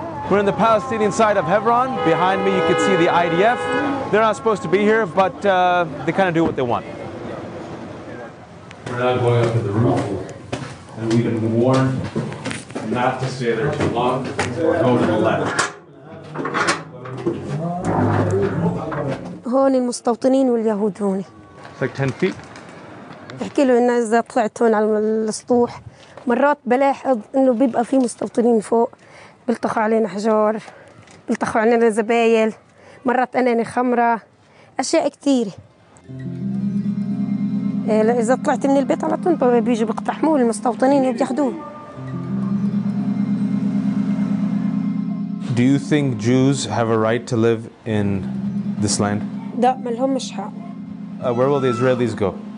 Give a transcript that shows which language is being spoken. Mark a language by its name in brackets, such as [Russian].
[English] We're in the Palestinian side of Hebron. Behind me, you can see the IDF. They're not supposed to be here, but they kind of do what they want. We're not going up to the roof. And we've been warned not to stay there too long or go to the left. [Arabic] هون المستوطنين واليهود هون. [English] It's like 10 feet. [Arabic] بحكي له إنه إذا طلعت هون على السطوح مرات بلاحظ إنه بيبقى في مستوطنين فوق بيلطخوا علينا حجار بيلطخوا علينا زبايل مرات أناني خمرة أشياء كثيرة. إذا طلعت من البيت على طول بيجوا بيقتحموا المستوطنين بياخذوه. [English] Do you think Jews have a right to live in this land? Where will the Israelis go?